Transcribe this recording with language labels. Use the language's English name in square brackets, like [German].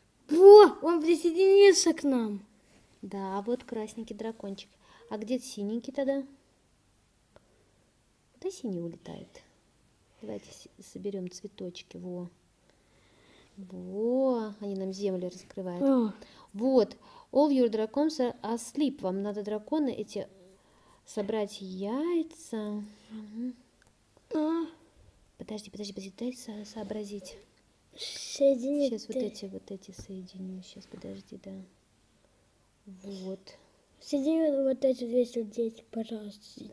[Russian] Во, он присоединился к нам. Да, вот красненький дракончик. А где синенький тогда? Да синий улетает. Давайте соберем цветочки. Во. Во, они нам землю раскрывают. О. [English] Вот, all your dracons are asleep. [Russian] Вам надо драконы эти собрать яйца. О. Подожди, дай сообразить. Соединить. Сейчас вот эти соединю. Сейчас, подожди, да. Вот. Соедини вот эти две сердечки, пожалуйста.